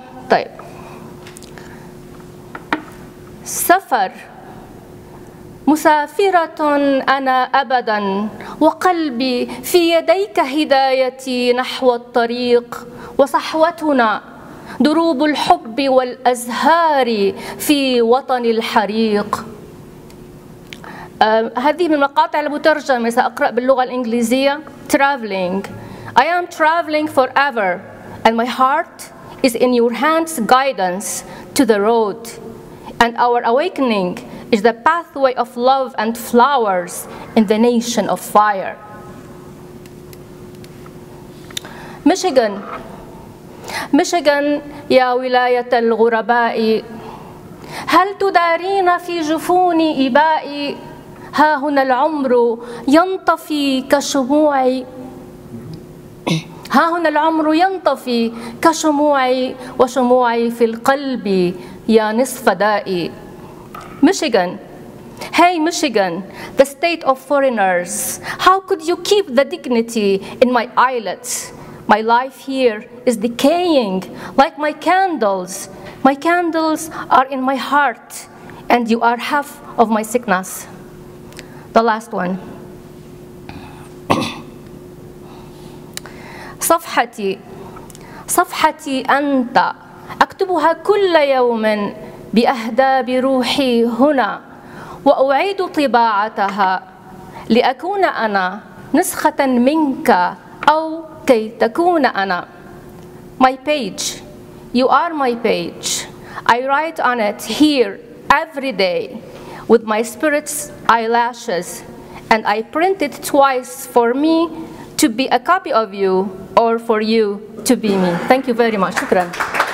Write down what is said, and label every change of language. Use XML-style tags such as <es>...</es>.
<ar>طيب، سفر مسافرة أنا أبدا وقلبي في يديك هدايتي نحو الطريق. وصحوتنا دروب الحب والأزهار في وطن الحريق. هذه من مقاطع المترجمة، سأقرأ باللغة الإنجليزية.</ar> <en>Traveling. I am traveling forever and my heart is in your hand's guidance to the road. And our awakening is the pathway of love and flowers in the nation of fire. Michigan.</en> <ar>Michigan, يا ولاية الغرباء، هل تدارين في جفون إبائي؟ ها هنا العمر ينطفي كشموعي، ها هنا العمر ينطفي كشموعي وشموعي في القلب يا نصف دائي.</ar> <en>Michigan. Hey Michigan, the state of foreigners. How could you keep the dignity in my islet? My life here is decaying like my candles. My candles are in my heart and you are half of my sickness. The last one.</en> <ar>صفحتي أنت أكتبها كل يوم بأهداب روحي هنا وأعيد طباعتها لأكون أنا نسخة منك أو كي تكون أنا.</ar> <en>My page. You are my page. I write on it here every day with my spirit's eyelashes and I print it twice for me to be a copy of you or for you to be me. Thank you very much.</en>